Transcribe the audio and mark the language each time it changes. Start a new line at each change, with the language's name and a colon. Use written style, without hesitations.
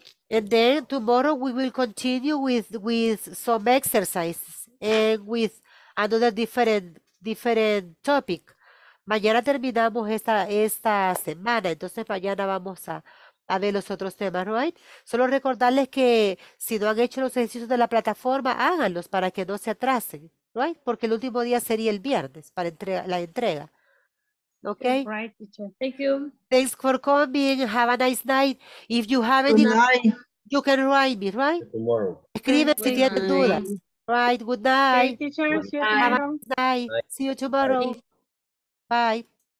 English: And then tomorrow we will continue with some exercises and with another different topic.
Spanish: Mañana terminamos esta semana, entonces mañana vamos a ver los otros temas, right? Solo recordarles que si no han hecho los ejercicios de la plataforma, háganlos para que no se atrasen, right? Porque el último día sería el viernes para la entrega.
English: Okay. Right, teacher. Thank you. Thanks for coming. Have a nice night. If you have any you can write me, right? Tomorrow.
Spanish: Escribe si tienes dudas.
English: Right, good night. Thank you, teacher. Have a nice night. See you tomorrow. Bye.